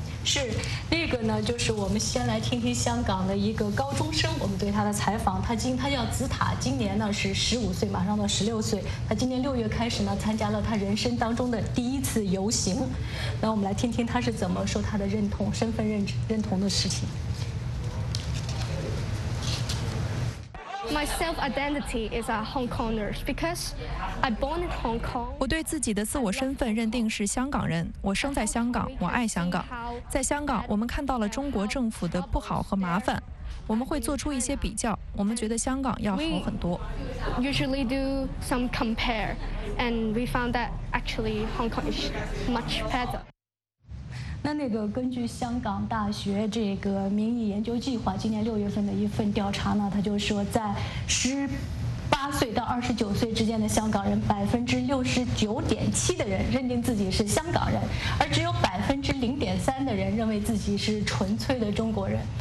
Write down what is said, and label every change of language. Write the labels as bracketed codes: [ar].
[zh] 是那个呢，就是我们先来听听香港的一个高中生，我们对他的采访。他叫紫塔，今年呢是15岁，马上到16岁。他今年6月开始呢参加了他人生当中的第一次游行。那我们来听听他是怎么说他的认同身份认同的事情。 [en] My self-identity is a Hong Konger because I born in Hong Kong. [zh] 我对自己的自我身份认定是香港人，我生在香港，我爱香港。在香港，我们看到了中国政府的不好和麻烦，我们会做出一些比较，我们觉得香港要好很多。 [en] We usually do some compare, and we found that actually Hong Kong is much better. [zh] 那个根据香港大学这个民意研究计划今年6月份的一份调查呢，他就说在18岁到29岁之间的香港人，69.7%的人认定自己是香港人，而只有0.3%的人认为自己是纯粹的中国人。